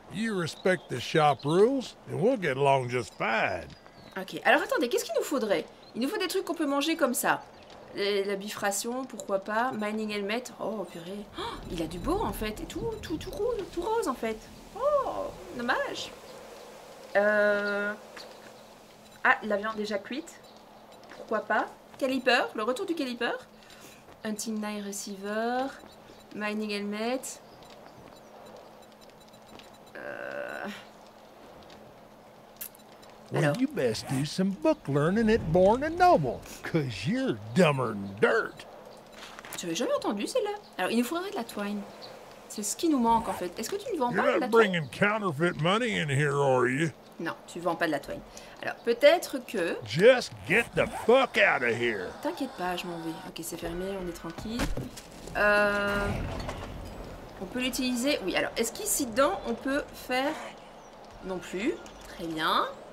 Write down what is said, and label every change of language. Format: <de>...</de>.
<en>You respect the shop rules and we'll get along just fine.</en> <fr>Ok, alors attendez, qu'est-ce qu'il nous faudrait? Il nous faut des trucs qu'on peut manger comme ça. La bifration, pourquoi pas. Mining helmet, oh purée. Oh, il a du beau en fait, et tout rose, tout rose en fait. Oh, dommage. Ah, la viande déjà cuite. Pourquoi pas. Caliper, le retour du caliper. Hunting knife receiver. Mining helmet.</fr> <en>Well, you best do some book learning at Born and Noble, cause you're dumber than dirt.</en> <fr>J'avais jamais entendu celle-là. Alors, il nous faudrait de la twine. C'est ce qui nous manque, en fait. Est-ce que tu ne vends pas de la twine?</fr> <en>You're not bringing counterfeit money in here, are you?</en> <fr>Non, tu ne vends pas de la twine. Alors, peut-être que...</fr> <en>Just get the fuck out of here.</en> <fr>T'inquiète pas, je m'en vais. Ok, c'est fermé, on est tranquille. On peut l'utiliser... Oui, alors, est-ce qu'ici dedans, on peut faire... Non plus. Très bien.</fr>